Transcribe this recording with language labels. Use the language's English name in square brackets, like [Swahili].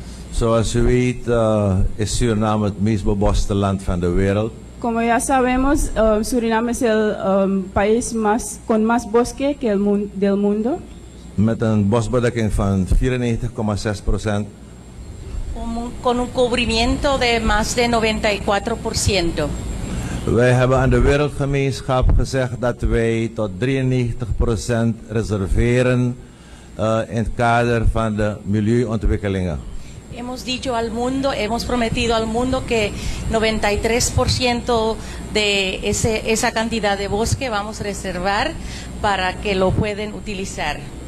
[Dutch] Zoals u weet is Suriname het meest beboste land van de wereld. [Spanish] Como ya sabemos, Suriname es el país más, con más bosque que el del mundo. [Dutch] Met een bosbedekking van 94,6%. [Spanish] Con un cubrimiento de más de 94%. [Dutch] Wij hebben aan de wereldgemeenschap gezegd dat wij tot 93% reserveren in het kader van de milieuontwikkelingen. [Spanish] Hemos dicho al mundo, hemos prometido al mundo que 93% de esa cantidad de bosque vamos a reservar para que lo pueden utilizar.